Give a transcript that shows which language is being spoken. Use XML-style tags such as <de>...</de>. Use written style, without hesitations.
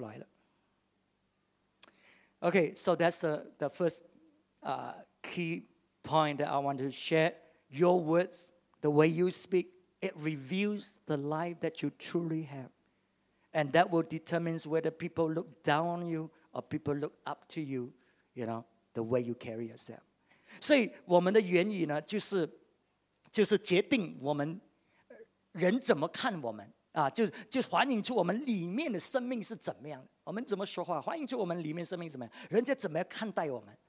<zh>所以这些只不过是初步的，我们把它放进去，我们建立了那样的这个思念的系统在里面的时候，当问题来的时候，我们要解决问题的时候，很自然的，因为已经是在里面了，我们就开始应用我们所放进去的系统来面对解决我们所处理的。所以这个就从我们的言语了出来了，有没有智慧的言语讲出来了？</zh> <en>Okay, so that's the first. Key point that I want to share, your words, the way you speak, it reveals the life that you truly have. And that will determine whether people look down on you or people look up to you, you know, the way you carry yourself.</en> <zh>所以我们的原意呢，就是决定我们人怎么看我们，就反映出我们里面的生命是怎么样，我们怎么说话，反映出我们里面生命怎么样，人家怎么样看待我们。</zh>